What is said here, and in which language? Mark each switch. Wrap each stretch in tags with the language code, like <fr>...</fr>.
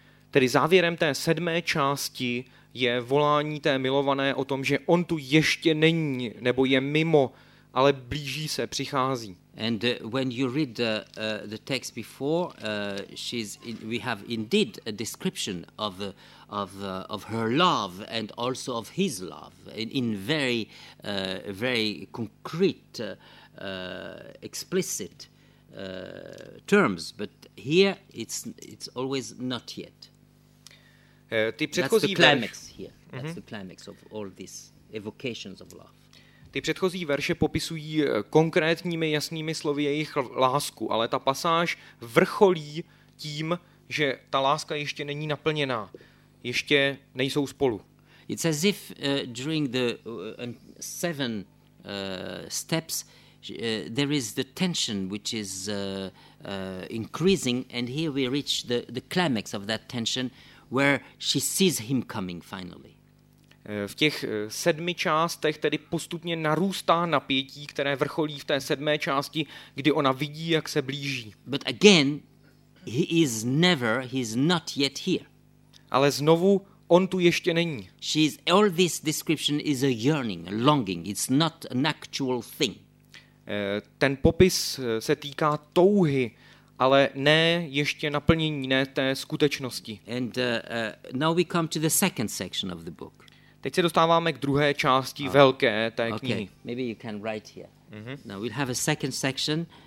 <cs>Tedy závěrem té sedmé části je volání té milované o tom, že on tu ještě není, nebo je mimo, ale blíží se, přichází.</cs> <en>And when you read the text before, we have indeed a description of her love and also of his love in very very concrete explicit terms. But here it's always not yet. That's the climax of all these evocations of love.</en> <cs>Ty předchozí verše popisují konkrétními jasnými slovy jejich lásku, ale ta pasáž vrcholí tím, že ta láska ještě není naplněná, ještě nejsou spolu.</cs> <en>It's as if during the seven steps there is the tension which is increasing, and here we reach the climax of that tension where she sees him coming finally.</en> <cs>V těch sedmi částech tedy postupně narůstá napětí, které vrcholí v té sedmé části, kdy ona vidí, jak se blíží.</cs> <en>But again, he's not yet here.</en> <cs>Ale znovu, on tu ještě není.</cs> <en>All this description is a yearning, a longing. It's not an actual thing.</en> <cs>Ten popis se týká touhy, ale ne ještě naplnění, ne té skutečnosti.</cs> <en>And now we come to the second section of the book.</en> <cs>Teď se dostáváme k druhé části velké té knihy.</cs> <en>Okay, maybe you can write here. Now we'll have a second section.</en>